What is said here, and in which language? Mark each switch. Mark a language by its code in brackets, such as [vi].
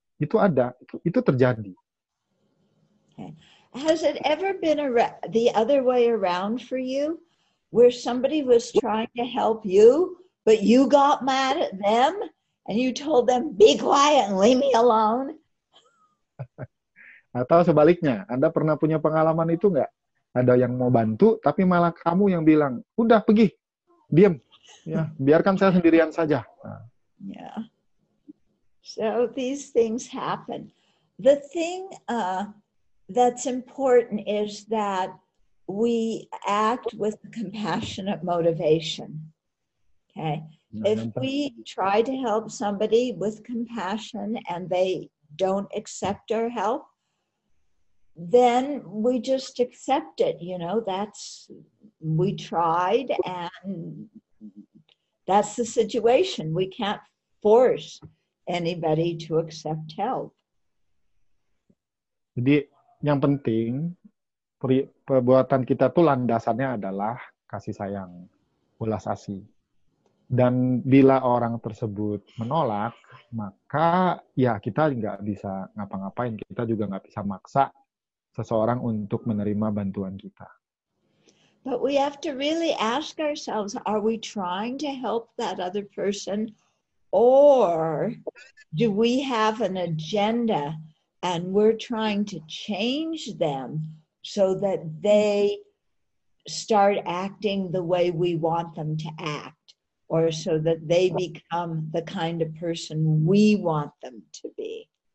[id] Itu ada, itu terjadi. [en] Okay. Has it ever been the other way around for you, where somebody was trying to help you, but you got mad at them, and you told them, be quiet and leave me alone? [id] Atau sebaliknya, Anda pernah punya pengalaman itu nggak? Ada yang mau bantu, tapi malah kamu yang bilang, udah pergi, diam, ya, biarkan saya sendirian saja. [en] Yeah. So these things happen. The thing that's important is that we act with compassionate motivation. Okay. If we try to help somebody with compassion and they don't accept our help, then we just accept it, you know, we tried and that's the situation. We can't force anybody to accept help. [id] Jadi yang penting perbuatan kita tuh landasannya adalah kasih sayang, ulas asih. Dan bila orang tersebut menolak, maka ya kita nggak bisa ngapa-ngapain, kita juga nggak bisa maksa seseorang untuk menerima bantuan kita. [en] But we have to really ask ourselves, are we trying to help that other person, or do we have an agenda and we're trying to change them so that they start acting the way we want them to act, or so that they become the kind of person we want them to be?